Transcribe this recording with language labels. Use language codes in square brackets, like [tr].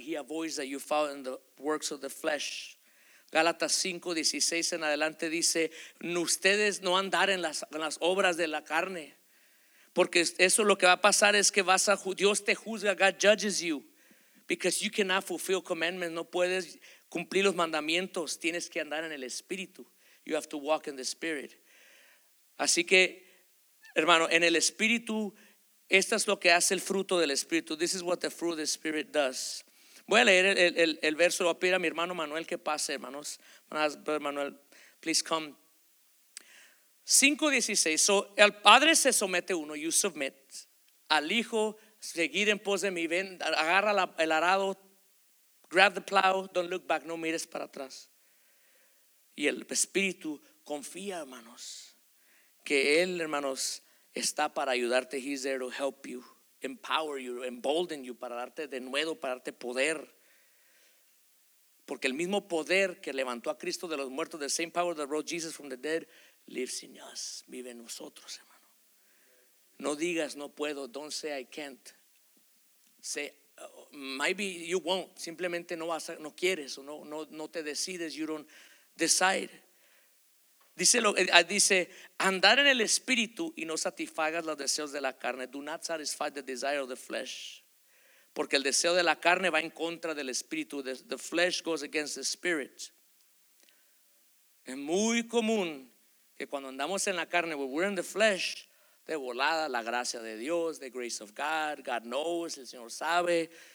[en] He avoids that you fall in the works of the flesh. [es] Gálatas 5:16 en adelante dice: ustedes no andar en las obras de la carne, porque eso lo que va a pasar es que Dios te juzga. [en] God judges you because you cannot fulfill commandments. [es] No puedes cumplir los mandamientos. Tienes que andar en el Espíritu. [en] You have to walk in the Spirit. [es] Así que, hermano, en el Espíritu, esto es lo que hace el fruto del Espíritu. [en] This is what the fruit of the Spirit does. [es] Voy a leer el verso. Voy a pedir a mi hermano Manuel que pase, hermanos. [en] Brother Manuel, please come. 5:16. [es] So, al Padre se somete uno, [en] you submit. [es] Al Hijo, seguir en pos de mí. Ven, agarra el arado. [en] Grab the plow, don't look back, [es] no mires para atrás. Y el Espíritu confía, hermanos, que él, hermanos, está para ayudarte. [en] He's there to help you, empower you, embolden you, [es] para darte de nuevo, para darte poder. Porque el mismo poder que levantó a Cristo de los muertos, [en] the same power that rose Jesus from the dead, lives in us, [es] vive en nosotros, hermano. No digas no puedo, [en] don't say I can't. Say maybe you won't, [es] simplemente no vas a, no quieres, o no te decides, [en] you don't decide. [es] Dice, andar en el Espíritu y no satisfagas los deseos de la carne. [en] Do not satisfy the desire of the flesh. [es] Porque el deseo de la carne va en contra del Espíritu. [en] The flesh goes against the Spirit. [es] Es muy común que cuando andamos en la carne, [en] when we're in the flesh, [es] de volada la gracia de Dios, [en] the grace of God, God knows, [es] el Señor sabe.